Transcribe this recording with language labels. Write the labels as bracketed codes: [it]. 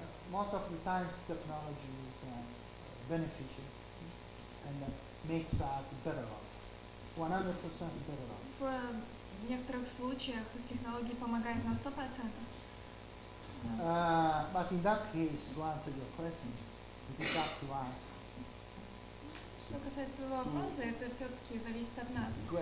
[en] Most of the times technology is beneficial and makes us better off, 100% better off. [ru] В некоторых случаях технологии помогают на 100%. [en] But in that case, to answer your question, it is up to us. [ru] Что касается твоего вопроса, это все-таки зависит от нас.